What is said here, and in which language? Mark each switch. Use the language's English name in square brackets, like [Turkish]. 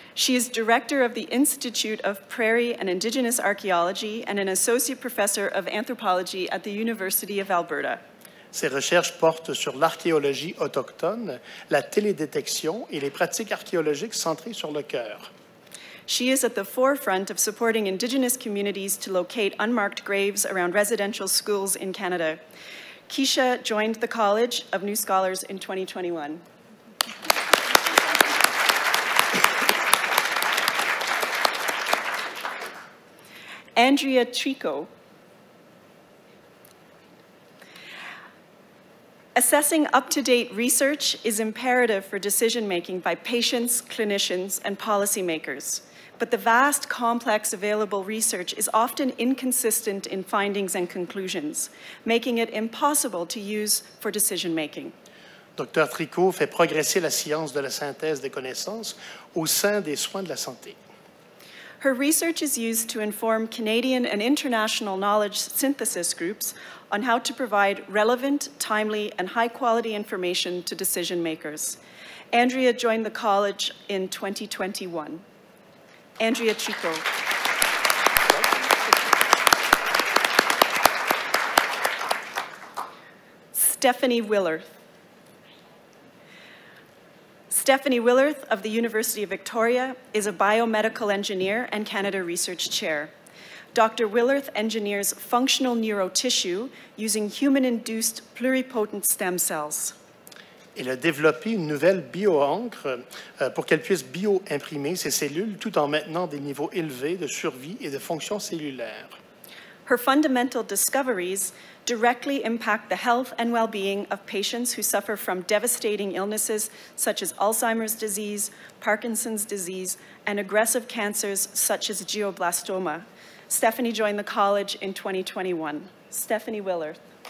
[English] She is director of the Institute of Prairie and Indigenous Archaeology and an associate professor of anthropology at the University of Alberta. [French] Ses recherches portent sur l'archéologie autochtone, la télédétection et les pratiques archéologiques centrées sur le cœur. [English] She is at the forefront of supporting Indigenous communities to locate unmarked graves around residential schools in Canada. Keisha joined the College of New Scholars in 2021. Andrea Trico. Assessing up-to-date research is imperative for decision-making by patients, clinicians, and policymakers. But the vast, complex available research is often inconsistent in findings and conclusions, making it impossible to use for decision-making. Dr. [French] Tricot fait progresser la science de la synthèse des connaissances au sein des soins de la santé. [English] Her research is used to inform Canadian and international knowledge synthesis groups on how to provide relevant, timely, and high-quality information to decision makers. Andrea joined the college in 2021. Andrea Chico. Stephanie Willerth. Stephanie Willerth of the University of Victoria is a biomedical engineer and Canada Research Chair. Dr. Willerth engineers functional neurotissue using human-induced pluripotent stem cells. [French] Elle a développé une nouvelle bio-encre pour qu'elle puisse bio-imprimer ses cellules tout en maintenant des niveaux élevés de survie et de fonction cellulaire. [English] Her fundamental discoveries directly impact the health and well-being of patients who suffer from devastating illnesses such as Alzheimer's disease, Parkinson's disease, and aggressive cancers such as glioblastoma. Stephanie joined the college in 2021. Stephanie Willerth.